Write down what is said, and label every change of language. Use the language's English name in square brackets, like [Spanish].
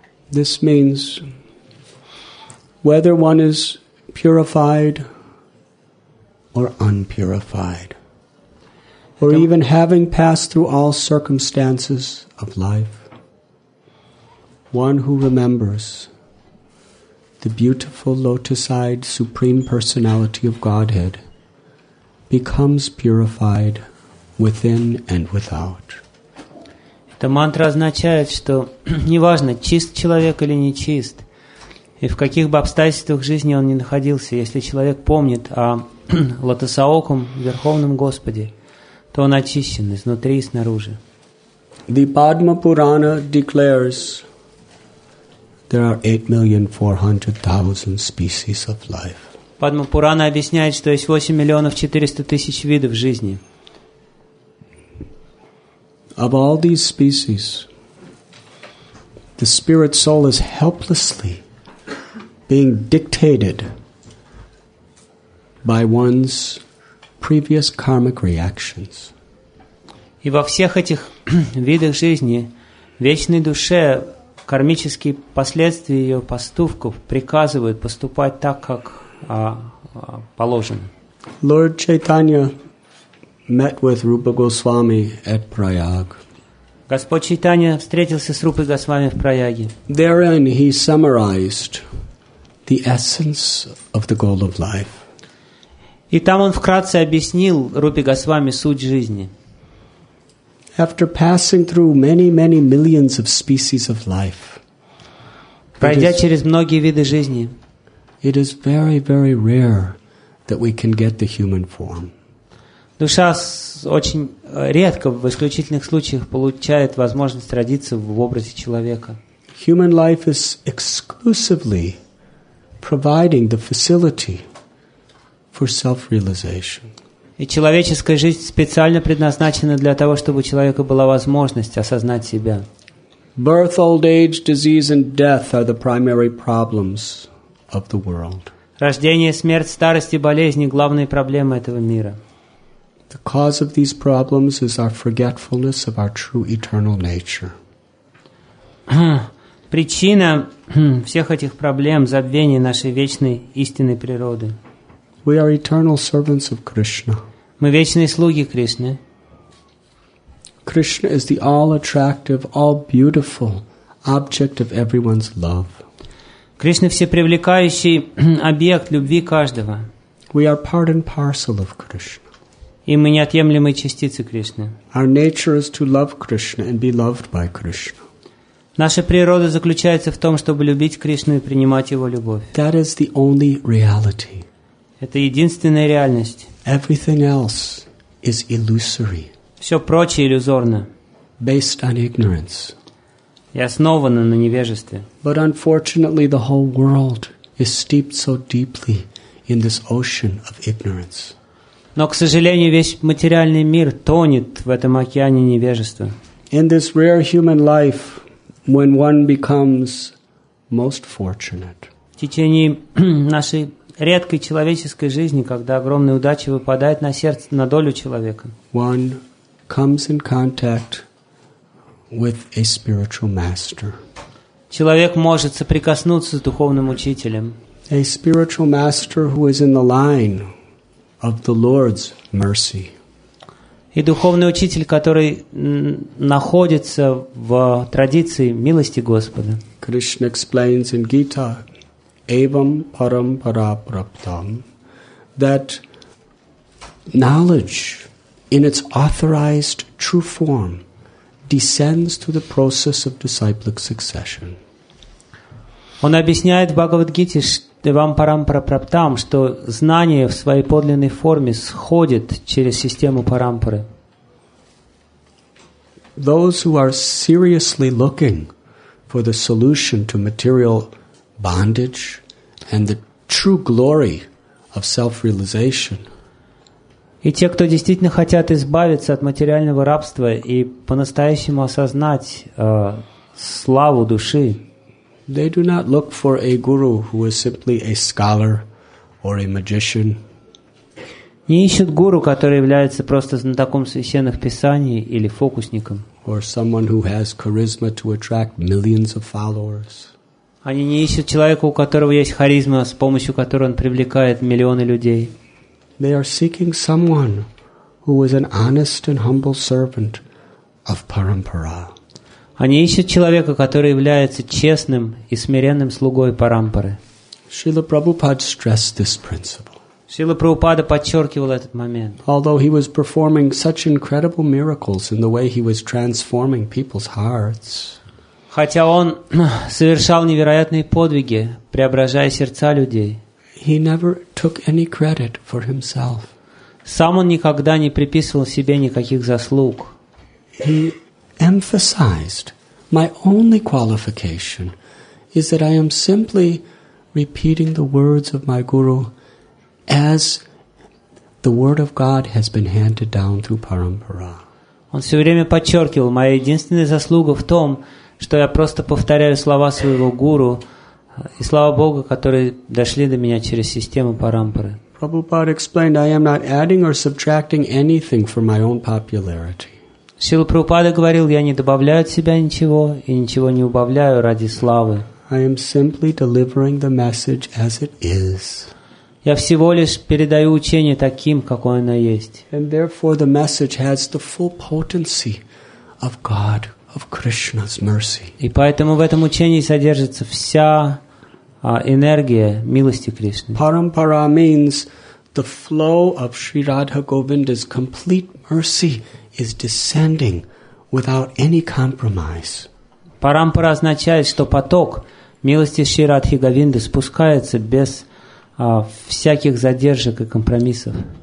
[English] This means whether one is purified or unpurified, or even having passed through all circumstances of life, one who remembers the beautiful lotus-eyed Supreme Personality of Godhead becomes purified within and without. [Russian] Эта мантра означает, что неважно, чист человек или нечист, и в каких бы обстоятельствах жизни он ни находился, если человек помнит о лотосаоком Верховном Господе, то он очищен изнутри и снаружи. [English] The Padma Purana declares there are 8,400,000 species of life. [Russian] Padma Purana объясняет, что есть 8,400,000 видов жизни. [English] Of all these species, the spirit soul is helplessly being dictated by one's previous karmic reactions. [Russian] И во всех этих видах жизни вечной душе кармические последствия ее поступков приказывают поступать так, как положено. [English] Lord Chaitanya met with Rupa Goswami at Prayag. [Russian] Господь Чайтанья встретился с Рупой Госвами в Праяге. [English] Therein he summarized the essence of the goal of life. [Russian] И там он вкратце объяснил Рупе Госвами суть жизни. [English] After passing through many, many millions of species of life, [Russian] пройдя через многие виды жизни, [English] it is very, very rare that we can get the human form. [Russian] Душа очень редко, в исключительных случаях, получает возможность родиться в образе человека. [English] Human life is exclusively providing the facility for self-realization. [Russian] И человеческая жизнь специально предназначена для того, чтобы у человека была возможность осознать себя. [English] Birth, old age, disease, and death are the primary problems of the world. [Russian] Рождение, смерть, старость и болезни — главные проблемы этого мира. [English] The cause of these problems is our forgetfulness of our true eternal nature. [Russian] Причина всех этих проблем — забвение нашей вечной истинной природы. [English] We are eternal servants of Krishna. [Russian] Мы вечные слуги Кришны. [English] Krishna is the all-attractive, all-beautiful object of everyone's love. [Russian] Кришна — всепривлекающий объект любви каждого. [English] We are part and parcel of Krishna. [Russian] И мы неотъемлемые частицы Кришны. [English] Our nature is to love Krishna and be loved by Krishna. [Russian] Наша природа заключается в том, чтобы любить Кришну и принимать Его любовь. [English] That is the only reality. [Russian] Это единственная реальность. [English] Everything else is illusory. [Russian] Все прочее иллюзорно. [English] Based on ignorance. [Russian] И основано на невежестве. [English] But unfortunately, the whole world is steeped so deeply in this ocean of ignorance. [Russian] Но, к сожалению, весь материальный мир тонет в этом океане невежества. [English] In this rare human life, when one becomes most fortunate. [Russian] В течение нашей редкой человеческой жизни, когда огромная удача выпадает на сердце, на долю человека. [English] One comes in contact with a spiritual master. [Russian] Человек может соприкоснуться с духовным учителем. [English] A spiritual master who is in the line of the Lord's mercy. [Russian] И духовный учитель, который находится в традиции милости Господа. [English] Krishna explains in Gita, [Sanskrit] evam parampara praptam, [English] that knowledge in its authorized true form descends to the process of disciplic succession. [Russian] Он объясняет в Бхагавад-гите, [Sanskrit] evam parampara praptam, [Russian] что знание в своей подлинной форме сходит через систему парампары. [English] Those who are seriously looking for the solution to material bondage and the true glory of self-realization. [Russian] И те, кто действительно хотят избавиться от материального рабства и по-настоящему осознать славу души, [English] they do not look for a guru who is simply a scholar or a magician. [Russian] Не ищут гуру, который является просто знатоком священных писаний или фокусником. [English] Or someone who has charisma to attract millions of followers. [Russian] Они не ищут человека, у которого есть харизма, с помощью которой он привлекает миллионы людей. [English] They are seeking someone who is an honest and humble servant of Parampara. [Russian] Они ищут человека, который является честным и смиренным слугой Парампары. [English] Srila Prabhupada stressed this principle. [Russian] Srila Prabhupada подчеркивал этот момент. [English] Although he was performing such incredible miracles in the way he was transforming people's hearts, [Russian] хотя он совершал невероятные подвиги, преображая сердца людей, [English] he never took any credit for himself. [Russian] Сам он никогда не приписывал себе никаких заслуг. [English] He emphasized, my only qualification is that I am simply repeating the words of my guru as the word of God has been handed down through parampara. [Russian] Он все время подчеркивал, моя единственная заслуга в том, что я просто повторяю слова своего гуру и слова Бога, которые дошли до меня через систему парампары. [English] Prabhupada explained, I am not adding or subtracting anything for my own popularity. [Russian] Srila Prabhupada говорил, я не добавляю от себя ничего и ничего не убавляю ради славы. [English] I am simply delivering the message as it is. [Russian] Я всего лишь передаю учение таким, какое оно есть. [English] And therefore the message has the full potency of God, of Krishna's mercy. [Russian] И поэтому в этом учении содержится вся энергия милости Кришны. [English] Parampara means the flow of Sri Radha Govinda's complete mercy is descending without any compromise. [Russian] Парампара означает, что поток милости Шри Радхи Говинды спускается без всяких задержек и компромиссов.